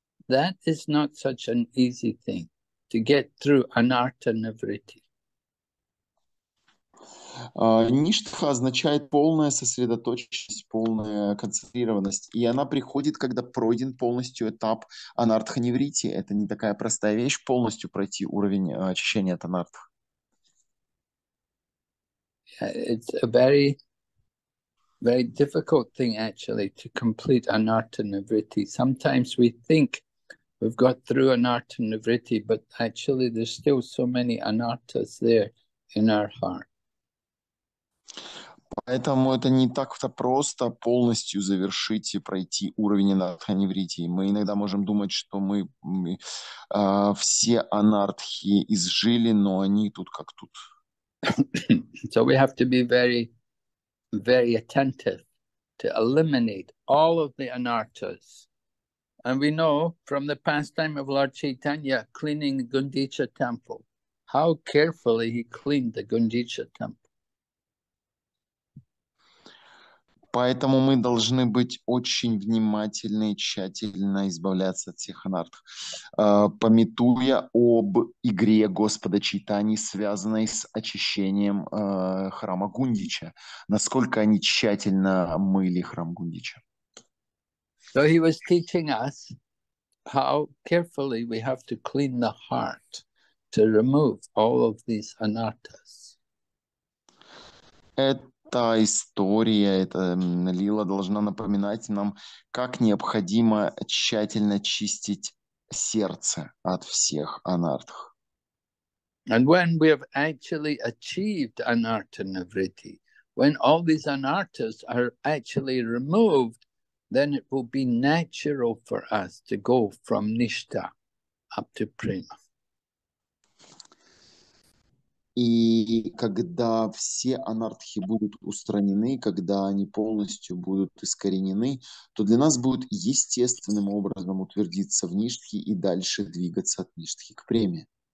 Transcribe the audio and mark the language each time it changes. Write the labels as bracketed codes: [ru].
[en] That is not such an easy thing, to get through anartha nivritti. [ru] Ништха означает полная сосредоточенность, полная концентрированность. И она приходит, когда пройден полностью этап анартха нивритти. Это не такая простая вещь, полностью пройти уровень очищения от анартха. [en] It's a very, very difficult thing actually to complete anartha nivritti. Sometimes we think we've got through anartha nivritti, but actually there's still so many anarthas there in our heart. [ru] Поэтому это не так-то просто полностью завершить и пройти уровень анартха нивритти. Мы иногда можем думать, что мы все анартхи изжили, но они тут как тут. [en] So we have to be very, very attentive to eliminate all of the anarthas. And we know from the pastime of Lord Chaitanya cleaning the Gundicha temple, how carefully he cleaned the Gundicha temple. [ru] Поэтому мы должны быть очень внимательны и тщательно избавляться от всех анартх, памятуя об игре Господа Чайтани, связанной с очищением храма Гундича. Насколько они тщательно мыли храм Гундича. [en] So he was teaching us how carefully we have to clean the heart to remove all of these anarthas. [ru] Эта история, эта лила должна напоминать нам, как необходимо тщательно чистить сердце от всех анартх. [en] And when we have actually achieved anartha nivritti, when all these anarthas are actually removed, then it will be natural for us to go from nishtha up to prema. [ru] И когда все анартхи будут устранены, когда они полностью будут искоренены, то для нас будет естественным образом утвердиться в ништхе и дальше двигаться от ништхи к преме.